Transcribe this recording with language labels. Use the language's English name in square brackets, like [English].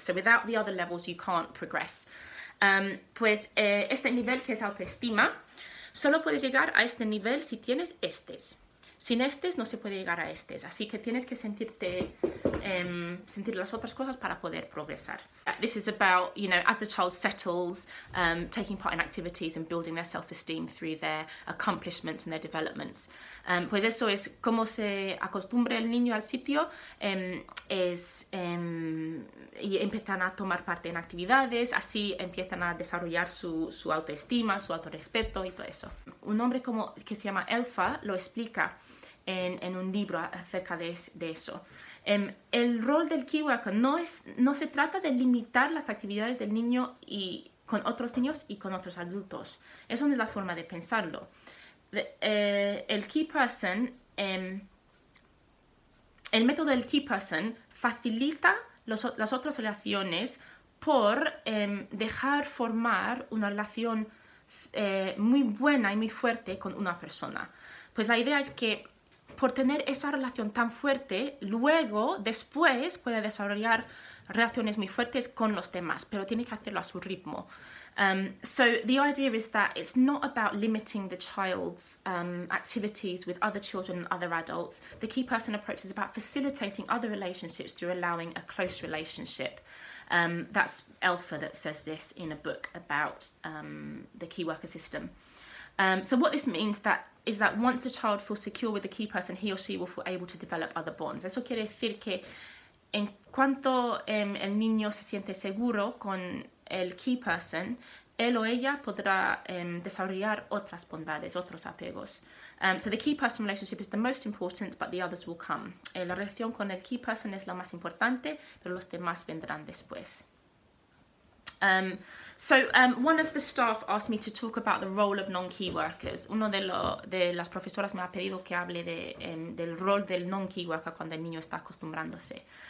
[English] So without the other levels, you can't progress. [Spanish] Pues este nivel que es autoestima, solo puedes llegar a este nivel si tienes estes. Sin estes no se puede llegar a estes. Así que tienes que sentirte sentir las otras cosas para poder progresar. [English] This is about, you know, as the child settles, taking part in activities and building their self-esteem through their accomplishments and their developments. [Spanish] Pues eso es cómo se acostumbra el niño al sitio, y empiezan a tomar parte en actividades, así empiezan a desarrollar su autoestima, su autorrespeto y todo eso. Un hombre como que se llama Elfa lo explica en un libro acerca de eso. El rol del key worker no se trata de limitar las actividades del niño y con otros niños y con otros adultos. Eso no es la forma de pensarlo. El key person, el método del key person facilita las otras relaciones por dejar formar una relación muy buena y muy fuerte con una persona. Pues la idea es que por tener esa relación tan fuerte, luego, después, puede desarrollar relaciones muy fuertes con los demás, pero tiene que hacerlo a su ritmo. [English] So the idea is that it's not about limiting the child's activities with other children and other adults. The key person approach is about facilitating other relationships through allowing a close relationship. That's Elfa that says this in a book about the key worker system. So what this means that is that once the child feels secure with the key person, he or she will feel able to develop other bonds. [Spanish] Eso quiere decir que en cuanto el niño se siente seguro con el key person, él o ella podrá desarrollar otras bondades, otros apegos. [English] So the key person relationship is the most important, but the others will come. [Spanish] La relación con el key person es la más importante, pero los demás vendrán después. [English] So one of the staff asked me to talk about the role of non-key workers. [Spanish] Uno de, lo, de las profesoras me ha pedido que hable de, del rol del non-key worker cuando el niño está acostumbrándose.